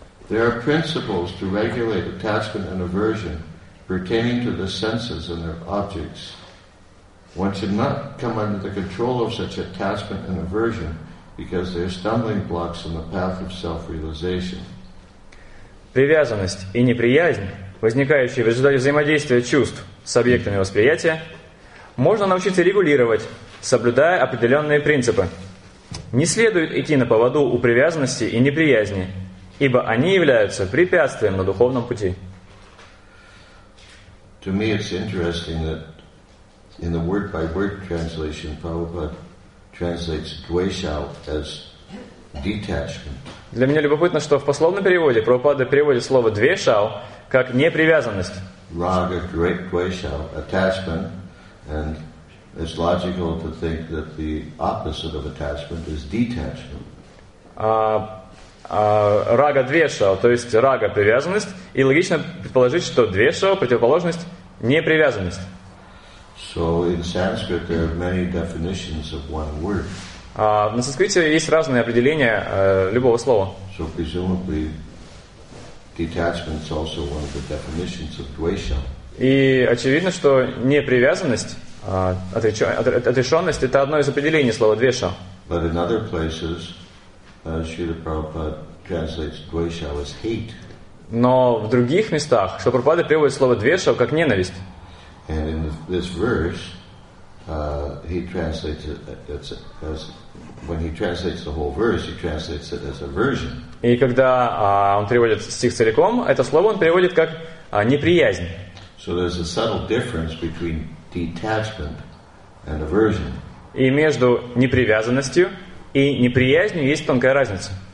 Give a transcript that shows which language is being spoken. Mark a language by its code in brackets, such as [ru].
[en] There are principles to regulate attachment and aversion pertaining to the senses and their objects. One should not come under the control of such attachment and aversion because they are stumbling blocks on the path of self-realization. [ru] Привязанность и неприязнь, возникающие в результате взаимодействия чувств с объектами восприятия, можно научиться регулировать, соблюдая определенные принципы. Не следует идти на поводу у привязанности и неприязни, ибо они являются препятствием на духовном пути. [en] To me it's interesting that in the word-by-word translation, Prabhupada translates dvesha as detachment. [ru] Для меня любопытно, что в пословном переводе Прабхупада переводит слово dvesha как непривязанность. [en] Raga, dvesha, attachment, and it's logical to think that the opposite of attachment is detachment. [ru] Рага двеша, то есть рага привязанность, и логично предположить, что двеша противоположность непривязанность. [en] So in Sanskrit there are many definitions of one word. [ru] На санскрите есть разные определения любого слова. [en] So presumably detachment is also one of the definitions of двеша. [ru] И очевидно, что непривязанность, отрешенность, это одно из определений слова двеша. [en] But in other places Śrīla Prabhupāda translates dvesha as hate. [ru] Но в других местах Śrīla Prabhupāda переводит слово dvesha как ненависть. [en] And in this verse, he translates it as when he translates the whole verse, he translates it as aversion. [ru] И когда он переводит стих целиком, это слово он переводит как неприязнь. [en] So there's a subtle difference between detachment and aversion. [ru] И между непривязанностью и неприязнью есть тонкая разница.